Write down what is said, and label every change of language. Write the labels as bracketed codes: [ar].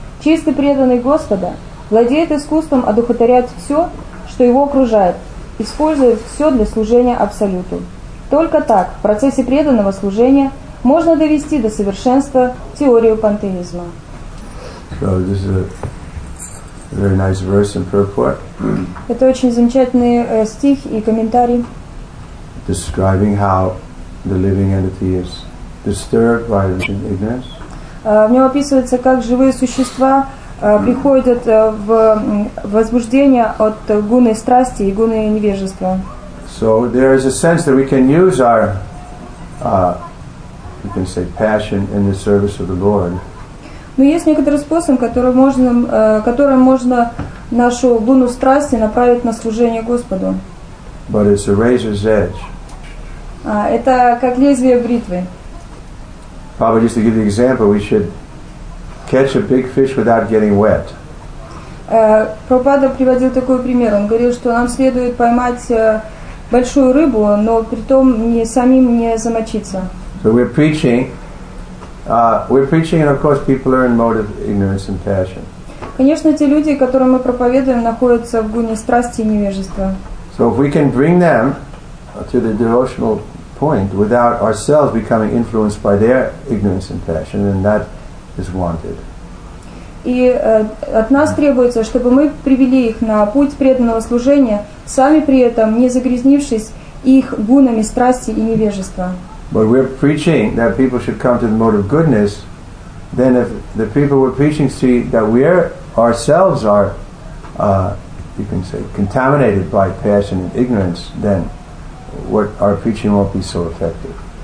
[ru] Чистый преданный Господа владеет искусством одухотворять все, что его окружает, используя все для служения абсолюту. Только так, в процессе преданного служения, можно довести до совершенства теорию пантеизма. [en] Very nice verse and purport. [ru] Это очень замечательный стих и комментарий. [en] Describing how the living entity is disturbed by ignorance. [ru] В нем описывается, как живые существа приходят в возбуждение от гуны страсти и гуны невежества. [en] So there is a sense that we can use our, you can say, passion in the service of the Lord. [ru] Но есть некоторый способ, которым можно нашу гуну страсти направить на служение Господу. [en] But it's a razor's edge. [ru] Это как лезвие бритвы. [en] Probably just to give the example, we should catch a big fish without getting wet. [ru] Прабхупада приводил такой пример. Он говорил, что нам следует поймать большую рыбу, но при том не самим не замочиться. [en] So we're preaching We're preaching, and of course, people are in mode of ignorance and passion. [ru] Конечно, те люди, которым мы проповедуем, находятся в гуне страсти и невежества. [en] So if we can bring them to the devotional point without ourselves becoming influenced by their ignorance and passion, then that is wanted. [ru] И от нас требуется, чтобы мы привели их на путь преданного служения, сами при этом не загрязнившись их гунами страсти и невежества. [en] But we're preaching that people should come to the mode of goodness. Then if the people we're preaching see that we ourselves are, you can say, contaminated by passion and ignorance, then what our preaching won't be so effective.